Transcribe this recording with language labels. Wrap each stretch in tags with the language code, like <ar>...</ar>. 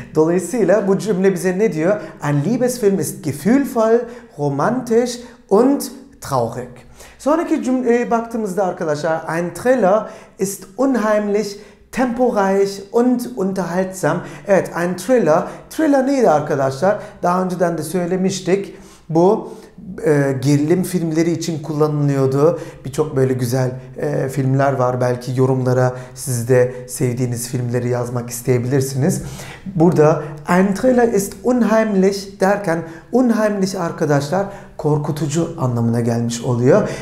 <tr>Dolayısıyla bu cümle bize ne diyor?</tr> <de>Ein Liebesfilm ist gefühlvoll, romantisch und traurig.</de> <tr>Sonraki cümleye baktığımızda arkadaşlar,</tr> <de>ein Thriller ist unheimlich, temporeich und unterhaltsam. Evet, ein Thriller.</de> <tr>Thriller neydi arkadaşlar? Daha önceden de söylemiştik. Bu gerilim filmleri için kullanılıyordu. Birçok böyle güzel filmler var. Belki yorumlara siz de sevdiğiniz filmleri yazmak isteyebilirsiniz. Burada</tr> <de>ein Thriller ist unheimlich</de> <tr>derken unheimlich arkadaşlar korkutucu anlamına gelmiş oluyor.</tr>